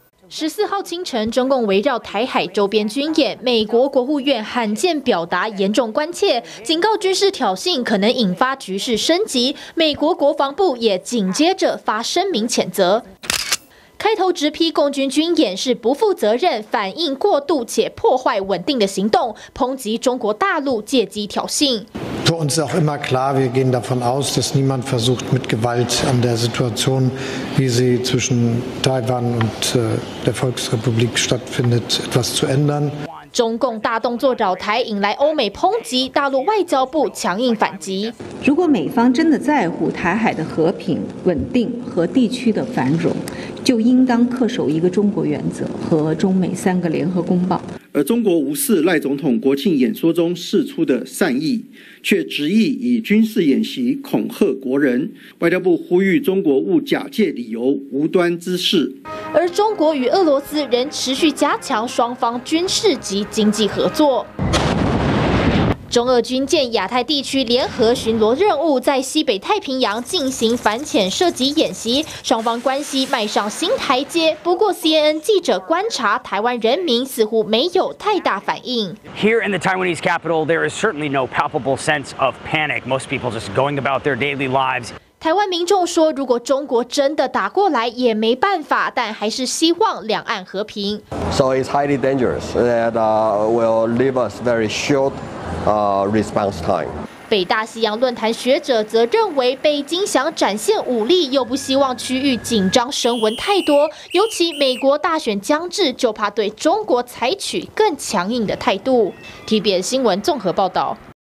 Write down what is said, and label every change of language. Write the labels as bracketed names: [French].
[Chinese] 14号清晨，中共围绕台海周边军演，美国国务院罕见表达严重关切，警告军事挑衅可能引发局势升级，美国国防部也紧接着发声明谴责。开头直批共军军演是不负责任、反应过度且破坏稳定的行动，抨击中国大陆借机挑衅。 [German] Für uns auch immer klar, wir gehen davon aus, dass niemand versucht, mit Gewalt an der Situation, wie sie zwischen Taiwan und der Volksrepublik stattfindet, etwas zu ändern. [Chinese] 中共大动作扰台，引来欧美抨击，大陆外交部强硬反击。如果美方真的在乎台海的和平、稳定和地区的繁荣，就应当恪守一个中国原则和中美三个联合公报。而中国无视赖总统国庆演说中释出的善意，却执意以军事演习恐吓国人。外交部呼吁中国勿假借理由无端滋事。而中国与俄罗斯仍持续加强双方军事及经济合作。中俄军舰亚太地区联合巡逻任务在西北太平洋进行反潜射击演习，双方关系迈上新台阶。不过 CNN 记者观察，台湾人民似乎没有太大反应。 [English] Here in the Taiwanese capital, there is certainly no palpable sense of panic. Most people just going about their daily lives. [Chinese] 台湾民众说，如果中国真的打过来也没办法，但还是希望两岸和平。 [English] So it's highly dangerous that will leave us very short response time. [Chinese] 北大西洋论坛学者则认为，北京想展现武力，又不希望区域紧张升温太多，尤其美国大选将至，就怕对中国采取更强硬的态度。 TVBS 新闻综合报道。